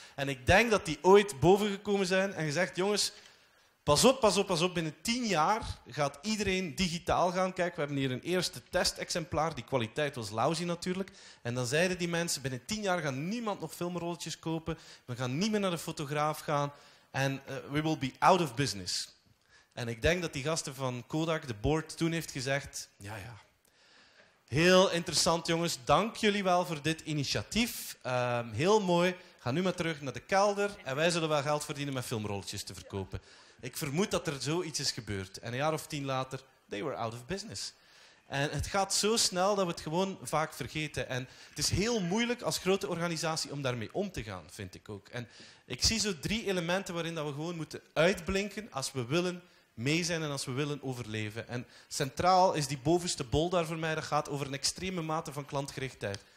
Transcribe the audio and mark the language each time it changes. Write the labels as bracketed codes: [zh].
[nl] En ik denk dat die ooit boven gekomen zijn en gezegd, jongens, pas op, binnen 10 jaar gaat iedereen digitaal gaan kijken. We hebben hier een eerste testexemplaar, die kwaliteit was lousy natuurlijk. En dan zeiden die mensen, binnen 10 jaar gaat niemand nog filmrolletjes kopen. We gaan niet meer naar de fotograaf gaan. [en] En we will be out of business. [nl] En ik denk dat die gasten van Kodak, de board, toen heeft gezegd, ja, heel interessant jongens, dank jullie wel voor dit initiatief. Heel mooi, ga nu maar terug naar de kelder en wij zullen wel geld verdienen met filmrolletjes te verkopen. Ik vermoed dat er zoiets is gebeurd. En 1 jaar of 10 later, [en] they were out of business. [nl] En het gaat zo snel dat we het gewoon vaak vergeten. En het is heel moeilijk als grote organisatie om daarmee om te gaan, vind ik ook. En ik zie zo 3 elementen waarin dat we gewoon moeten uitblinken als we willen mee zijn en als we willen overleven. En centraal is die bovenste bol daar voor mij. Dat gaat over een extreme mate van klantgerichtheid.